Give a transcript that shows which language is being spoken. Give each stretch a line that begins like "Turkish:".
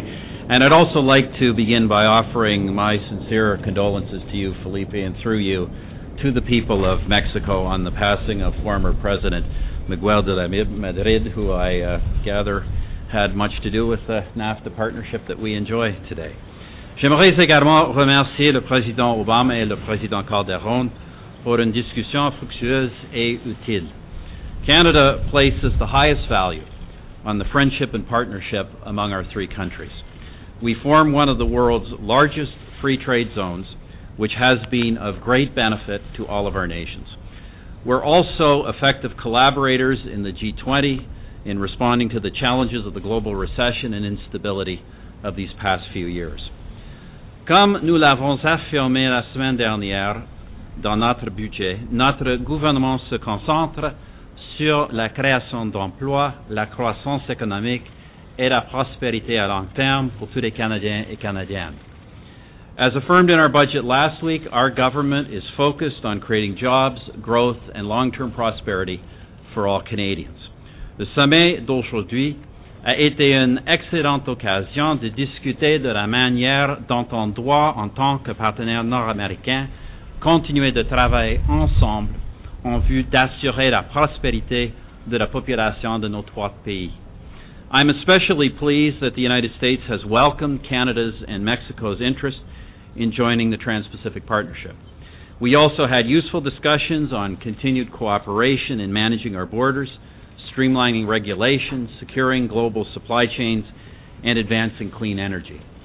English: And I'd also like to begin by offering my sincere condolences to you, Felipe, and through you, to the people of Mexico on the passing of former President Miguel de la Madrid, who I gather had much to do with the NAFTA partnership that we enjoy today.
French: J'aimerais également remercier le président Obama et le président Calderon pour une discussion fructueuse et utile.
English: Canada places the highest value on the friendship and partnership among our three countries. We form one of the world's largest free trade zones, which has been of great benefit to all of our nations. We're also effective collaborators in the G20 in responding to the challenges of the global recession and instability of these past few years.
French: Comme nous l'avons affirmé la semaine dernière dans notre budget, notre gouvernement se concentre sur la création d'emplois, la croissance économique et la prospérité à long terme pour tous les Canadiens et Canadiennes.
English: As affirmed in our budget last week, our government is focused on creating jobs, growth and long-term prosperity for all Canadians.
French: Le sommet d'aujourd'hui a été une excellente occasion de discuter de la manière dont on doit, en tant que partenaire nord-américain, continuer de travailler ensemble en vue d'assurer la prospérité de la population de nos trois pays.
English: I'm especially pleased that the United States has welcomed Canada's and Mexico's interest in joining the Trans-Pacific Partnership. We also had useful discussions on continued cooperation in managing our borders, streamlining regulations, securing global supply chains, and advancing clean energy.